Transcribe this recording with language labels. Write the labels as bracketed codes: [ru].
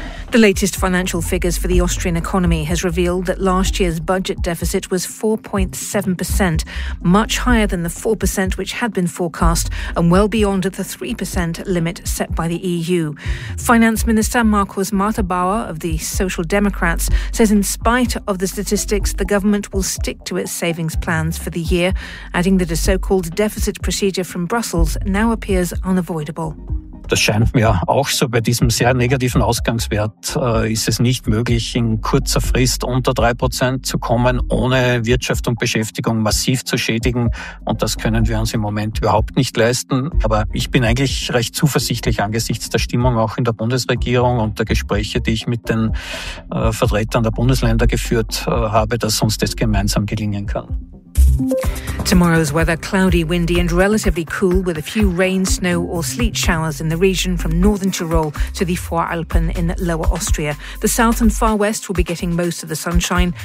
[en] The latest financial figures for the Austrian economy has revealed that last year's budget deficit was 4.7%, much higher than the 4% which had been forecast and well beyond the 3% limit set by the EU. Finance Minister Markus Mahtabauer of the Social Democrats says in spite of the statistics, the government will stick to its savings plans for the year, adding that a so-called deficit procedure from Brussels now appears unavoidable. [de] Das scheint mir auch so. Bei diesem sehr negativen Ausgangswert ist es nicht möglich, in kurzer Frist unter 3% zu kommen, ohne Wirtschaft und Beschäftigung massiv zu schädigen. Und das können wir uns im Moment überhaupt nicht leisten. Aber ich bin eigentlich recht zuversichtlich angesichts der Stimmung auch in der Bundesregierung und der Gespräche, die ich mit den Vertretern der Bundesländer geführt habe, dass uns das gemeinsam gelingen kann. [en] Tomorrow's weather cloudy, windy and relatively cool with a few rain, snow or sleet showers in the region from northern Tyrol to the Voralpen in Lower Austria. The south and far west will be getting most of the sunshine.